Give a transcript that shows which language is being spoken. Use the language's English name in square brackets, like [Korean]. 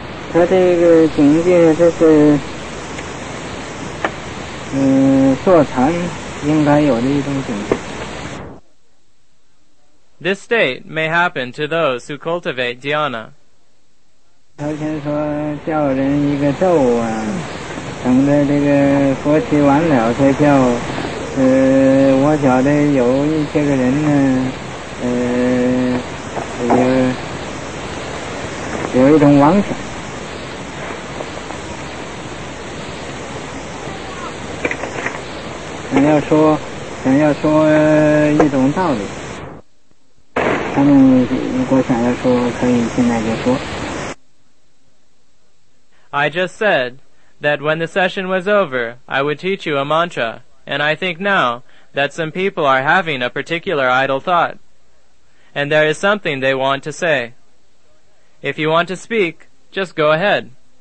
[Chinese] 他这个境界就是坐禅应该有的一种境界。 [English] This state may happen to those who cultivate dhyana. [Chinese] 昨天说叫人一个咒啊，等着这个佛七完了再叫。我觉得有一些个人呢，有一种妄想。想要说一种道理，他们如果想要说，可以现在就说。 [English] I just said that when the session was over, I would teach you a mantra. And I think now that some people are having a particular idle thought, and there is something they want to say. If you want to speak, just go ahead.